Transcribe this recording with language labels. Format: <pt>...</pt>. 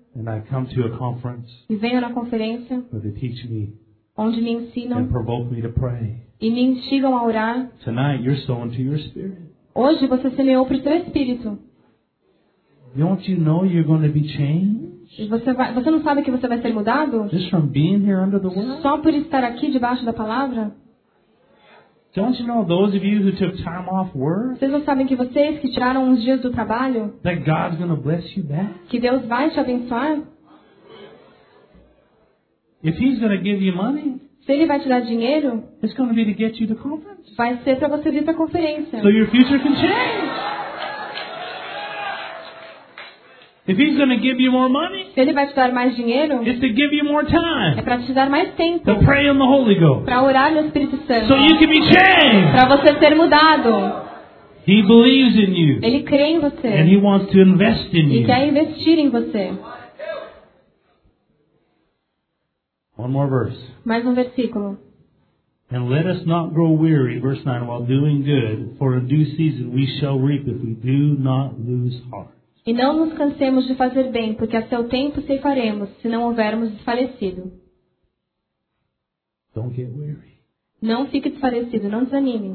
<en>And I come to a conference.</en> <pt>E venho na conferência.</pt> <en>Where they teach me.</en> <pt>Onde me ensinam.</pt> <en>And provoke me to pray.</en> <pt>E me instigam a orar.</pt> <en>Tonight you're sowing to your spirit.</en> <pt>Hoje você semeou para o seu espírito.</pt> <en>Don't you know you're going to be changed?</en> <pt>Você não sabe que você vai ser mudado?</pt> <en>Just from being here under the word?</en> <pt>Só por estar aqui debaixo da palavra?</pt> <en>Don't you know those of you who took time off work?</en> <pt>Vocês não sabem que vocês que tiraram uns dias do trabalho?</pt> <en>That God's going to bless you back?</en> <pt>Que Deus vai te abençoar?</pt> <en>If He's going to give you money?</en> <pt>Se Ele vai te dar dinheiro?</pt> <en>It's going to be to get you to conference.</en> <pt>Vai ser para você vir para a conferência.</pt> <en>So your future can change. If He's going to give you more money,</en> <pt>se Ele vai te dar mais dinheiro,</pt> <en>it's to give you more time,</en> <pt>é para te dar mais tempo,</pt> <en>to pray in the Holy Ghost,</en> <pt>para orar no Espírito Santo,</pt> <en>so you can be changed,</en> <pt>para você ser mudado.</pt> <en>He believes in you,</en> <pt>Ele crê em você,</pt> <en>and He wants to invest in you,</en> <pt>e quer investir em você.</pt> <en>One more verse.</en> <pt>Mais versículo.</pt> <en>And let us not grow weary, verse 9, while doing good, for in due season we shall reap if we do not lose heart.</en> <pt>E não nos cansemos de fazer bem, porque a seu tempo ceifaremos, se não houvermos desfalecido.</pt> <en>Don't get weary.</en> <pt>Não fique desfalecido, não desanime.</pt>